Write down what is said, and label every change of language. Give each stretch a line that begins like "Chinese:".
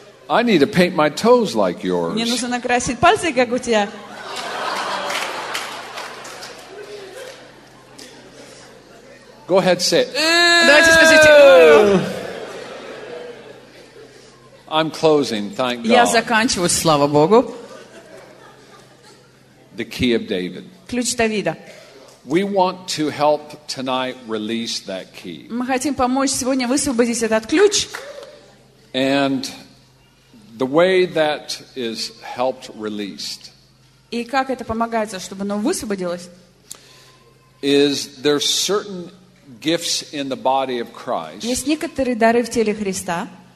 English: I need to paint my toes like yours.
Russian: Мне нужно накрасить пальцы, как у тебя.
English: Go ahead, say it.
Russian: Давайте скажите.
English: I'm closing. Thank God.
Russian: Я заканчиваю. Слава Богу.
English: The key of David.
Russian: Ключ Давида.
English: We want to help tonight release that key.
Russian: Мы хотим помочь сегодня высвободить этот ключ.
English: And the way that is helped released.
Russian: И как это помогает, чтобы оно высвободилось?
English: Is there certain gifts in the body of Christ?
Russian: Есть некоторые дары в теле Христа.